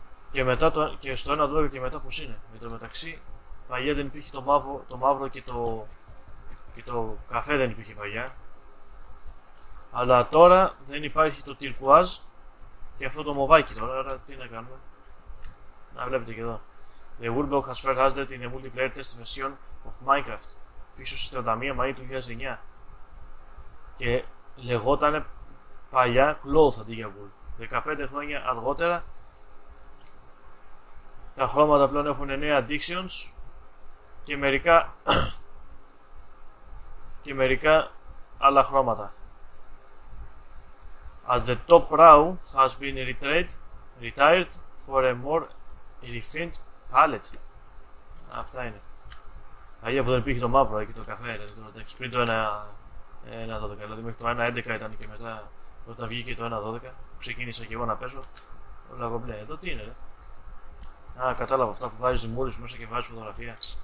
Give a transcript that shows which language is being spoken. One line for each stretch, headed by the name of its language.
Greek: Και μετά το, και στο 1.12 και μετά πως είναι. Με το μεταξύ, παλιά δεν υπήρχε το μαύρο και το καφέ δεν υπήρχε παλιά. Αλλά τώρα δεν υπάρχει το τυρκουάζ και αυτό το μοβάκι τώρα. Άρα τι να κάνουμε. Να βλέπετε και εδώ.
English: The Woodblock has first added in a multiplayer test version of Minecraft
Greek: πίσω στις 31 Μαΐου του 2009 και λεγότανε παλιά Cloth αντί για Wool. 15 χρόνια αργότερα τα χρώματα πλέον έχουν νέα addictions και μερικά και μερικά άλλα χρώματα.
English: As the top row has been retired for a more refined palette.
Greek: Αυτά είναι. Αλλιώ που δεν υπήρχε το μαύρο και το καφέ, δηλαδή το εντάξει. Πριν το 1.12, δηλαδή μέχρι το 1.11 ήταν και μετά όταν βγήκε το 1.12, ξεκίνησα και εγώ να παίζω. Όλα κομπλέ. Εδώ τι είναι, ρε. Α, κατάλαβα αυτά που βάζει μούρι μέσα και βάζει φωτογραφία.